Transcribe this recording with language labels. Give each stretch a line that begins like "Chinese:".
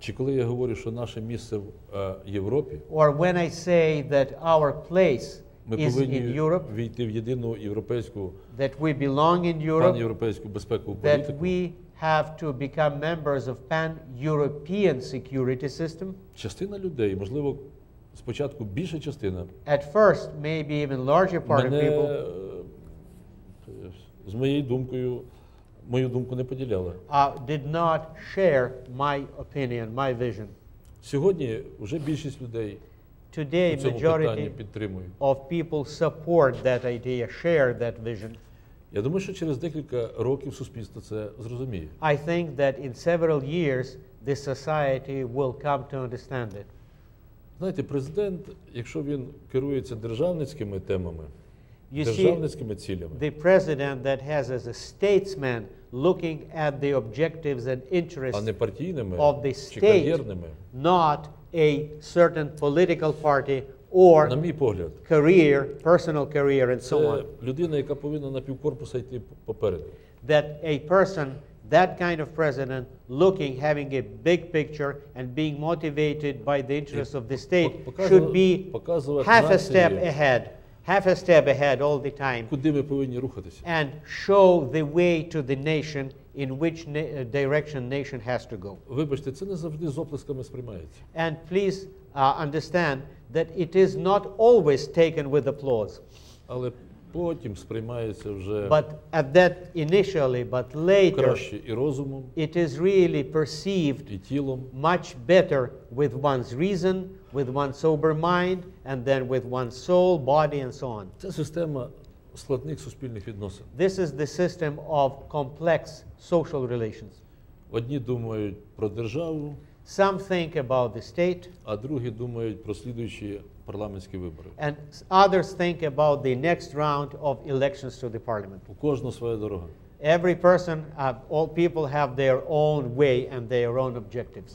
Ukrainian: Чи коли я говорю, що наше місце в Європі?
English: Or when I say that our place is in Europe.
Ukrainian: Ми повинні війти в єдину європейську,
English: that we belong in Europe,
Ukrainian: пан-європейську безпекову політику.
English: That we have to become members of pan-European security system.
Ukrainian: Частина людей, можливо, спочатку більша частина.
English: At first, maybe even larger part
Ukrainian: мене,
English: of people.
Ukrainian: З моєю думкою, мою думку не поділяли.
English: Did not share my opinion, my vision.
Ukrainian: Сьогодні вже більшість людей
English: today,
Ukrainian: у цьому
English: majority
Ukrainian: питанні підтримують.
English: Of people support that idea, share that vision.
Ukrainian: Я думаю, що через декілька років суспільство це зрозуміє.
English: I think that in several years this society will come to understand it.
Ukrainian: Знаєте, президент, якщо він керується державницькими темами, державницькими цілями.
English: The president that has as a statesman looking at the objectives and interests,
Ukrainian: а не партійними,
English: of the state,
Ukrainian: чи кар'єрними,
English: not a certain political party or,
Ukrainian: на мій погляд,
English: career, personal career, and so on.
Ukrainian: Людина, яка повинна на півкорпуса йти попереду.
English: That a person, that kind of president, looking, having a big picture, and being motivated by the interests of the state, should be half a step ahead, half a step ahead all the time.
Ukrainian: Куди ми повинні рухатися?
English: And show the way to the nation, in which direction nation has to go.
Ukrainian: Вибачте, це не завжди з оплесками сприймається.
English: And please understand that it is not always taken with applause.
Ukrainian: Але потім сприймається вже.
English: But at that initially, but later,
Ukrainian: краще і розумом,
English: it is really perceived
Ukrainian: і тілом,
English: much better with one's reason, with one's sober mind, and then with one's soul, body, and so on.
Ukrainian: Це система складних суспільних відносин.
English: This is the system of complex social relations.
Ukrainian: Одні думають про державу.
English: Some think about the state.
Ukrainian: А другі думають про слідуючі парламентські вибори.
English: And others think about the next round of elections to the parliament.
Ukrainian: У кожного своя дорога.
English: Every person, all people have their own way and their own objectives.